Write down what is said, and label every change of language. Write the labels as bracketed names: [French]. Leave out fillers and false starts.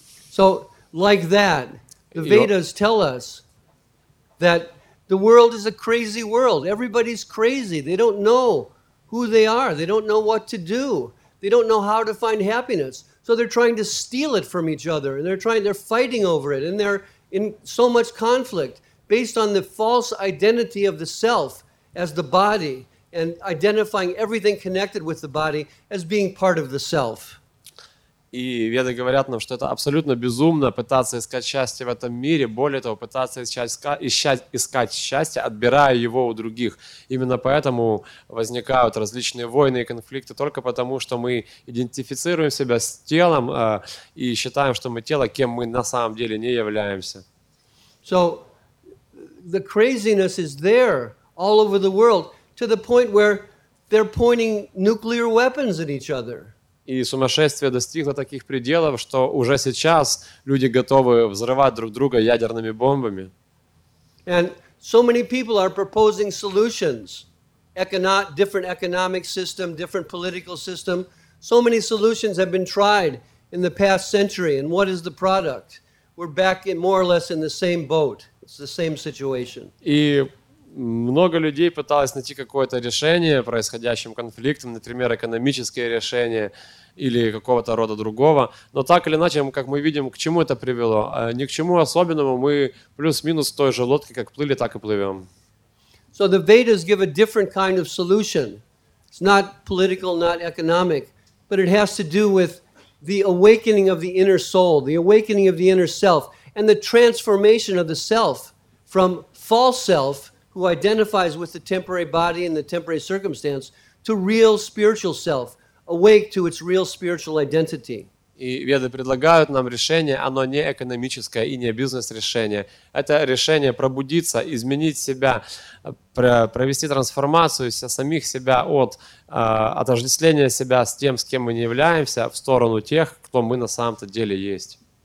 [English] So, like that, the Vedas tell us that the world is a crazy world. Everybody's crazy. They don't know who they are. They don't know what to do. They don't know how to find happiness. So they're trying to steal it from each other. And they're fighting over it. And they're in so much conflict based on the false identity of the self as the body and identifying everything connected with the body as being part of the self. [Russian] И веды говорят нам, что это абсолютно безумно пытаться искать счастье в этом мире, более того, пытаться искать счастье, отбирая его у других. Именно поэтому возникают различные войны и конфликты, только потому, что мы идентифицируем себя с телом и считаем, что мы тело, кем мы на самом деле не являемся. [English] So, the craziness is there all over the world to the point where they're pointing nuclear weapons at each other. [Russian] И сумасшествие достигло таких пределов, что уже сейчас люди готовы взрывать друг друга ядерными бомбами. [English] And so many people are proposing solutions, different economic system, different political system. So many solutions have been tried in the past century. And what is the product? We're back in more or less in the same boat. It's the same situation. [Russian] И много людей пыталось найти какое-то решение происходящим конфликтам, например, экономические решения или какого-то рода другого. Но так или иначе, как мы видим, к чему это привело? Ни к чему особенному. Мы плюс-минус в той же лодке, как плыли, так и плывем. [English] So the Vedas give a different kind of solution. It's not political, not economic, but it has to do with the awakening of the inner soul, the awakening of the inner self, and the transformation of the self from false self, who identifies with the temporary body and the temporary circumstance, to real spiritual self, awake to its real spiritual identity. [Russian] И веды предлагают нам решение, оно не экономическое и не бизнес-решение. Это решение пробудиться, изменить себя, провести трансформацию самих себя от отождествления себя с тем, с кем мы не являемся, в сторону тех, кто мы на самом-то деле есть.